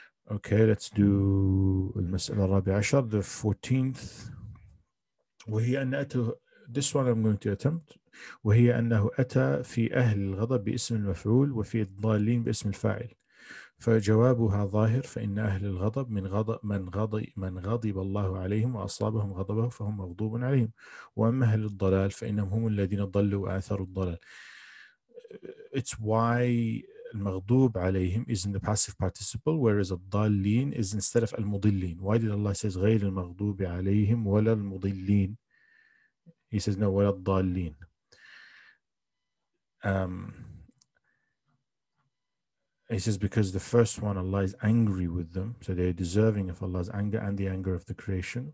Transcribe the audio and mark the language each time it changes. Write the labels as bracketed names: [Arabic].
[English] Okay, let's do [Arabic] المسألة الرابعة عشر, [English] the 14th. [Arabic] وهي أن أتى, [English] this one I'm going to attempt. [Arabic] وهي أنه أتى في أهل الغضب باسم المفعول وفي الضالين باسم الفاعل. فجوابها ظاهر, فإن أهل الغضب من غضب من غضب الله عليهم وأصابهم غضبه فهم مغضوب عليهم. وأما أهل الضلال فإنهم هم الذين ضلوا وآثروا الضلال. [English] It's why [Arabic] المغضوب عليهم [English] is in the passive participle, whereas الضالين is instead of المضلين. Why did Allah says [Arabic] غير المغضوب عليهم ولا المضلين? [English] He says no, [Arabic] ولا الضالين. [English] He says because the first one, Allah is angry with them, so they are deserving of Allah's anger and the anger of the creation.